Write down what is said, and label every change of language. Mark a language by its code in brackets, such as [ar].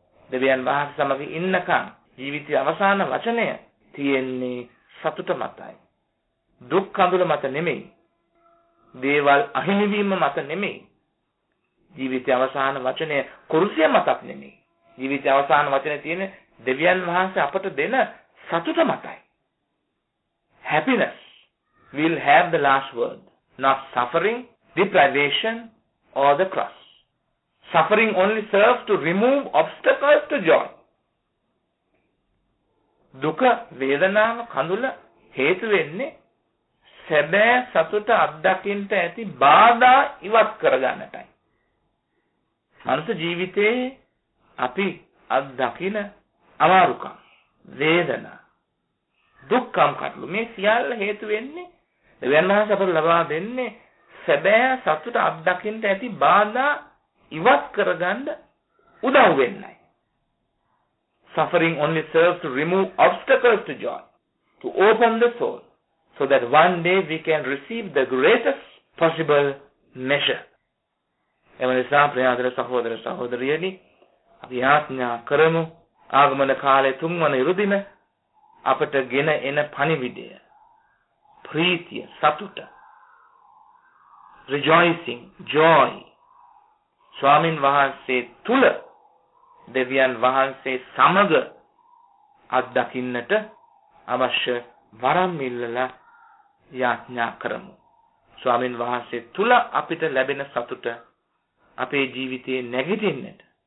[si] දෙවියන් වහන්සේ සමග ඉන්නකම් ජීවිතයේ අවසාන වචනය තියෙන්නේ සතුට මතයි. දුක් කඳුල මත නෙමෙයි. දේවල් අහිමිවීම මත නෙමෙයි ජීවිත අවසාන වචනය කුරුසිය මතක් නෙමෙයි ජීවිත අවසාන වචනය තියෙන දෙවියන් වහන්සේ අපට දෙන සතුට මතයි. [en] Happiness will have the last word, not suffering, deprivation or the cross. Suffering only serves to remove obstacles to joy. [si] දුක වේදනාව කඳුල හේතු වෙන්නේ සැබෑ සතුට අත්දකින්නට ඇති බාධා ඉවත් කරගන්නටයි. මනුස්ස ජීවිතයේ අපි අත්දකින අමාරුකම්, වේදනා, දුක්ඛම් කටලු මේ සියල්ල හේතු වෙන්නේ දෙවියන් වහන්සේ අපට ලබා දෙන්නේ සැබෑ සතුට අත්දකින්නට ඇති බාධා ඉවත් කරගන්න උදව් වෙන්නයි. [en] Suffering only serves to remove obstacles to joy, to open the soul. So that one day we can receive the greatest possible measure. [si] එම නිසා ප්‍රියතර සහෝදර සහෝදරියනි, අපි යාඥා කරමු ආගමන කාලේ තුන්වන ඉරුදින අපට ගෙන එන පණිවිඩය ප්‍රීතිය සතුට [en] rejoicing joy [si] ස්වාමින් වහන්සේ තුල දෙවියන් වහන්සේ සමග අත්දකින්නට අවශ්‍ය වරම් ඉල්ලලා යාඥා කරමු ස්වාමින් වහන්සේ තුල අපිට ලැබෙන සතුට අපේ ජීවිතයේ නැගිටින්නට